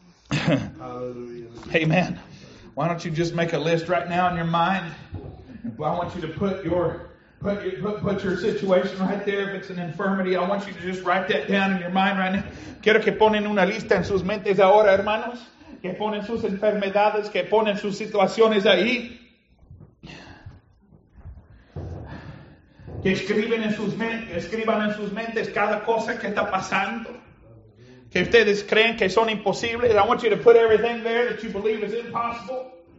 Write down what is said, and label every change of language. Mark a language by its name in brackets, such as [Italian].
[English] Hey man, why don't you just make a list right now in your mind? I want you to put your situation right there. If it's an infirmity, I want you to just write that down in your mind right now. [Spanish] Quiero que ponen una lista en sus mentes ahora, hermanos. Que ponen sus enfermedades, que ponen sus situaciones ahí. Que escriban en sus mentes cada cosa que está pasando. Que ustedes creen que son imposibles. [English] I want you to put everything there that you believe is impossible.